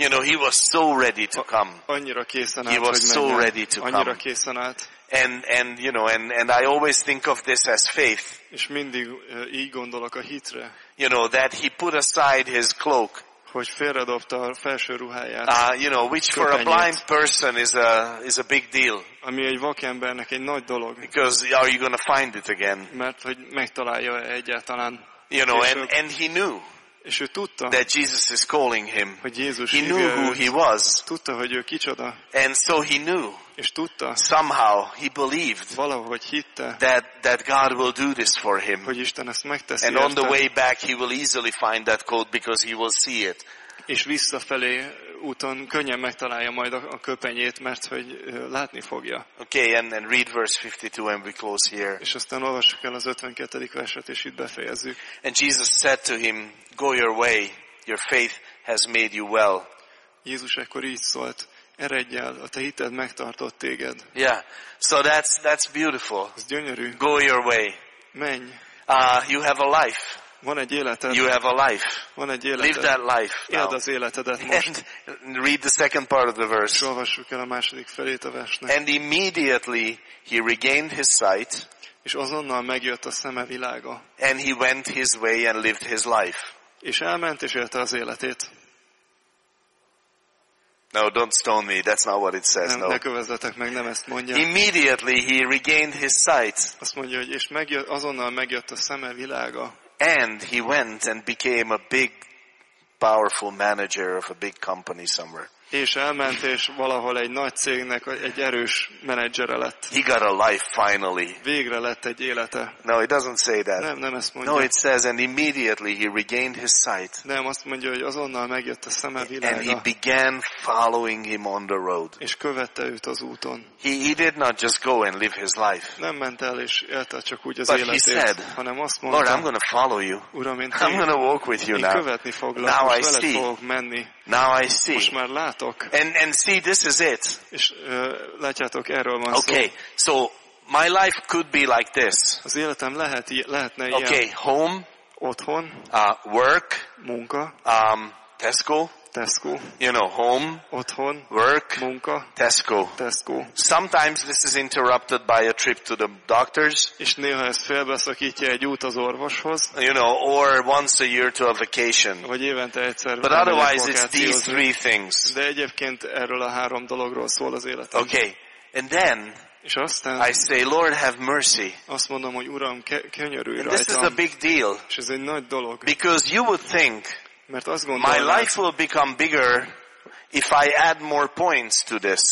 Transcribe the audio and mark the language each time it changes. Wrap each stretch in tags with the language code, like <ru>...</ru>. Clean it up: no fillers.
<en>You know, he was so ready to come.</en> <hu>Annyira készen állt,</hu> <en>he was so ready to</en> <hu>annyira</hu> <en>come.</en> <hu>Készen állt.</hu> <en>And you know, and I always think of this as faith.</en> <hu>És mindig így gondolok a hitre.</hu> <en>You know, that he put aside his cloak.</en> <hu>Hogy félredobta a felső ruháját.</hu> <en>You know, which for a blind person is a big deal.</en> <hu>Ami egy vakembernek egy nagy dolog.</hu> <en>Because are you going to find it again?</en> <hu>Mert hogy megtalálja egyáltalán.</hu> <en>You know, and he knew.</en> <hu>És ő tudta.</hu> <en>That Jesus is calling him.</en> <hu>Hogy Jézus.</hu> <en>He knew who he was.</en> <hu>Tudta, hogy ő kicsoda.</hu> <en>And so he knew.</en> <hu>És tudta.</hu> <en>Somehow he believed.</en> <hu>Valahogy hitte.</hu> <en>That God will do this for him.</en> <hu>Hogy Isten ezt megteszi.</hu> <en>And on the way back he will easily find that coat because he will see it.</en> <hu>És visszafelé úton könnyen megtalálja majd a köpenyét, mert hogy látni fogja.</hu> <en>Okay, and read verse 52 and we close here.</en> <hu>És aztán olvassuk el az 52. verset, és itt befejezzük.</hu> <en>And Jesus said to him, go your way, your faith has made you well.</en> <hu>Jézus ekkor így szólt, eredj el, a te hited megtartott téged.</hu> <en>Yeah, so that's beautiful.</en> <hu>Ez gyönyörű.</hu> <en>Go your way.</en> <hu>Menj.</hu> <en>You have a life.</en> <hu>Van egy életed.</hu> <en>You have a life.</en> <hu>Van egy életed.</hu> <en>Live that life.</en> <hu>Éld az életedet most.</hu> <en>And read the second part of the verse.</en> <hu>És olvassuk el a második felét a versnek.</hu> <en>And immediately he regained his sight.</en> <hu>És azonnal megjött a szeme világa.</hu> <en>And he went his way and lived his life.</en> <hu>És elment és élte az életét.</hu> <en>No, don't stone me. That's not what it says.</en> <hu>Nem,</hu> <en>no.</en> <hu>Ne kövezzetek meg, nem ezt mondja.</hu> <en>Immediately he regained his sight.</en> <hu>Azt mondja, hogy és megjött, azonnal megjött a szeme világa.</hu> <en>And he went and became a big, powerful manager of a big company somewhere.</en> <hu>És elment, és valahol egy nagy cégnek egy erős menedzsere lett.</hu> <en>He got a life finally.</en> <hu>Végre lett egy élete.</hu> <en>No, it doesn't say that.</en> <hu>Nem, nem ezt mondja.</hu> <en>No, it says and immediately he regained his sight.</en> <hu>Nem, azt mondja, hogy azonnal megjött a szeme világa.</hu> <en>And he began following him on the road.</en> <hu>És követte őt az úton.</hu> <en>He did not just go and live his life.</en> <hu>Nem ment el és élte csak úgy az</hu> <en>But</en> <hu>életét.</hu> <en>He said,</en> <hu>hanem azt mondta,</hu> <en>Lord, I'm going to follow you.</en> <hu>Uram, én</hu> <en>I'm going to walk with you now.</en> <hu>Követni foglak,</hu> <en>now I see.</en> <hu>Fogok menni.</hu> <en>Now I see.</en> <hu>Most már látok.</hu> <en>And see, this is it.</en> <hu>És látjátok, erről van</hu> <en>okay.</en> <hu>szó.</hu> <en>Okay, so my life could be like this.</en> <hu>Az életem lehetne ilyen.</hu> <en>Okay, home.</en> <hu>Otthon.</hu> <en>Work.</en> <hu>Munka.</hu> <en>Tesco.</en> <hu>Tesco.</hu> <en>You know, home.</en> <hu>Otthon.</hu> <en>Work.</en> <hu>Munka.</hu> <en>Tesco.</en> <hu>Tesco.</hu> <en>Sometimes this is interrupted by a trip to the doctors.</en> <hu>És néha ez félbeszakítja egy út az orvoshoz.</hu> <en>You know, or once a year to a vacation.</en> <hu>Vagy évente egyszer.</hu> <en>But otherwise it's these three things.</en> <hu>De egyébként erről a három dologról szól az életem.</hu> <en>Okay. And then</en> <hu>és aztán,</hu> <en>I say, Lord, have mercy.</en> <hu>Azt mondom, hogy Uram, könyörülj rajtam.</hu> <en>This is a big deal.</en> <hu>És ez egy nagy dolog.</hu> <en>Because you would think</en> <hu>mert azt gondolom,</hu> <en>my life will become bigger if I add more points to this.</en>